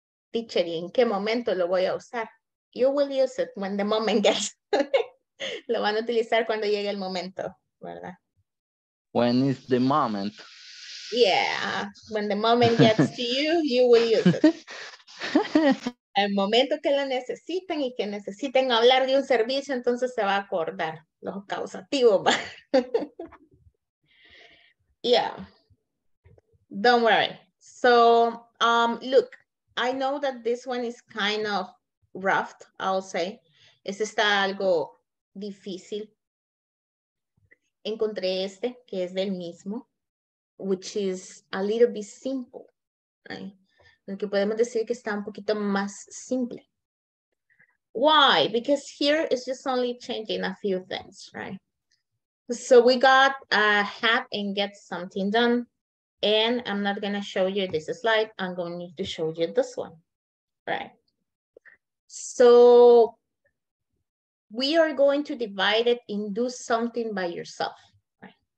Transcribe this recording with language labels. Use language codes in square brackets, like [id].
[en] Teacher, [es] ¿y en qué momento lo voy a usar? [en] You will use it when the moment gets. [es] Lo van a utilizar cuando llegue el momento, ¿verdad? [en] When is the moment? Yeah, when the moment gets to you, you will use it. [es] Al momento que la necesiten y que necesiten hablar de un servicio, entonces se va a acordar los causativos. [en] Yeah. Don't worry. So, look, I know that this one is kind of rough, I'll say. [es] Este está algo difícil. Encontré este, que es del mismo, [en] which is a little bit simple, [es] right? Que podemos decir que está un poquito más simple. [en] Why? Because here is just only changing a few things, right? So we got have and get something done. And I'm not going to show you this slide. I'm going to show you this one, right? So we are going to divide it in do something by yourself, right?